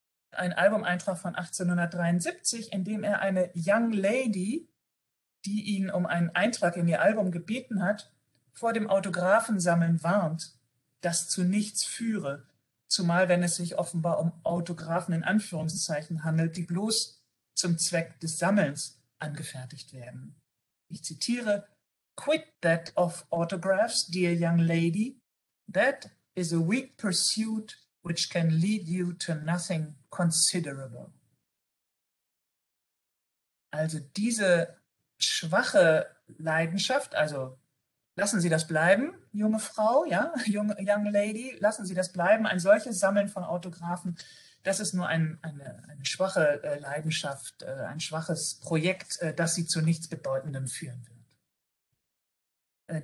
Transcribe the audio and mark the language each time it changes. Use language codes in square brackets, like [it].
[de] Ein Albumeintrag von 1873, in dem er eine Young Lady, die ihn um einen Eintrag in ihr Album gebeten hat, vor dem Autographensammeln warnt, das zu nichts führe, zumal wenn es sich offenbar um Autographen in Anführungszeichen handelt, die bloß zum Zweck des Sammelns angefertigt werden. Ich zitiere: [en] "Quit that of autographs, dear young lady. That is a weak pursuit which can lead you to nothing considerable." [de] Also diese schwache Leidenschaft, also lassen Sie das bleiben, junge Frau, ja, [en] young lady, [de] lassen Sie das bleiben, ein solches Sammeln von Autographen, das ist nur eine schwache Leidenschaft, ein schwaches Projekt, das Sie zu nichts Bedeutendem führen wird.